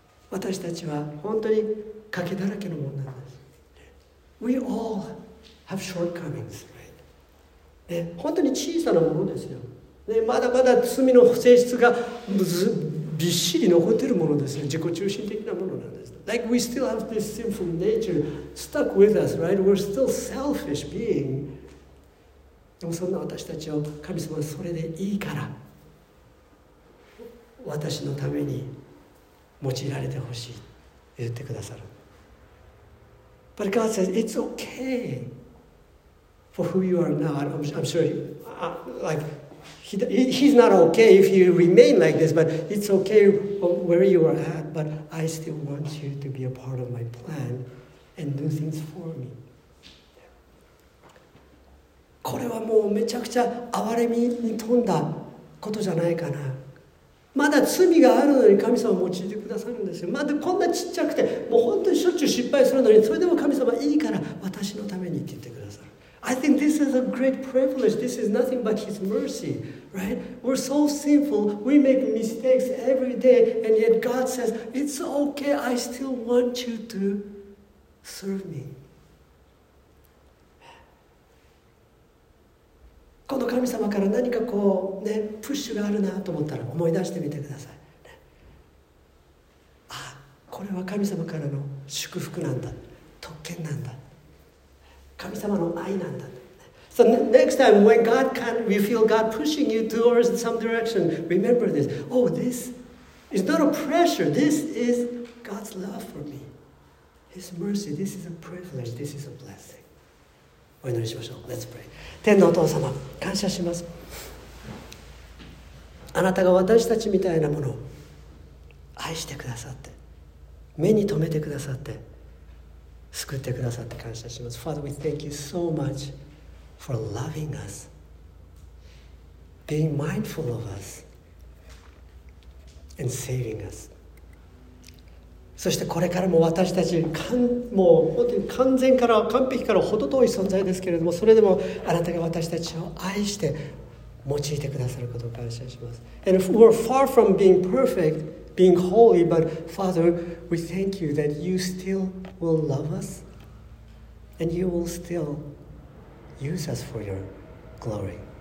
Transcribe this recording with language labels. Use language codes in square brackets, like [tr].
[ja] 私たちは本当に欠けだらけのものなんです。 [en] We all have shortcomings, right? [ja] 本当に小さなものですよ。まだまだ罪の性質がびっしり残っているものですよ。自己中心的なものなんです。 [en] Like we still have this sinful nature stuck with us, right? We're still selfish being. [ja] でもそんな私たちを神様はそれでいいから私のために用いられてほしい言ってくださる。 [en] But God says it's okay for who you are now. I'm sure, like he's not okay if you remain like this. But it's okay where you are at. But I still want you to be a part of my plan and do things for me. [ja] これはもうめちゃくちゃ憐れみに富んだことじゃないかな。まだ罪があるのに神様を用いてくださるんですよ。まだこんなちっちゃくて、もう本当にしょっちゅう失敗するのに、それでも神様いいから私のためにって言ってくださる。 [en] I think this is a great privilege. This is nothing but His mercy, right? We're so sinful. We make mistakes every day, and yet God says, "It's okay. I still want you to serve me." [ja] この神様から何かこうね、プッシュがあるなと思ったら思い出してみてください。あ、これは神様からの祝福なんだ、特権なんだ。神様の愛なんだ。 [en] So next time when God can, we feel God pushing you towards some direction, remember this. Oh, this is not a pressure. This is God's love for me. His mercy. This is a privilege. This is a blessing. [ja] お祈りしましょう。 [en] Let's pray. [ja] 天のお父様、感謝します。あなたが私たちみたいなものを愛してくださって、目に留めてくださって、救ってくださって感謝します。 [en] Father, we thank you so much for loving us, being mindful of us, and saving us. [ja] そしてこれからも私たち、もう本当に完全から完璧から程遠い存在ですけれども、それでもあなたが私たちを愛して用いてくださることを感謝します。 [en] And if we're far from being perfect,being holy, but Father, we thank you that you still will love us and you will still use us for your glory.